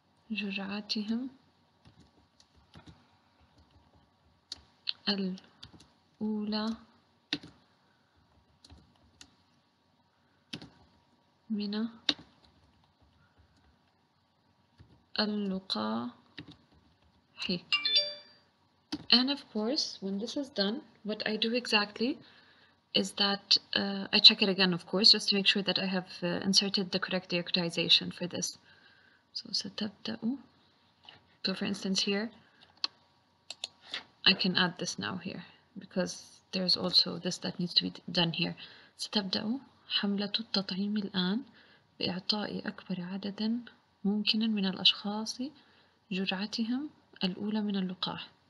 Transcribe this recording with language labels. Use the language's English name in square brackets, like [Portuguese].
[Arabic] جرعتهم الأولى من اللقاح. [English] And of course, when this is done, what I do exactly is that I check it again, of course, just to make sure that I have inserted the correct diacritization for this. So [Arabic] ستبدأ. [English] So for instance here, I can add this now here, because there's also this that needs to be done here. [Arabic] ستبدأ حملة التطعيم الآن بإعطاء أكبر عدد ممكن من الأشخاص جرعتهم الأولى من اللقاح.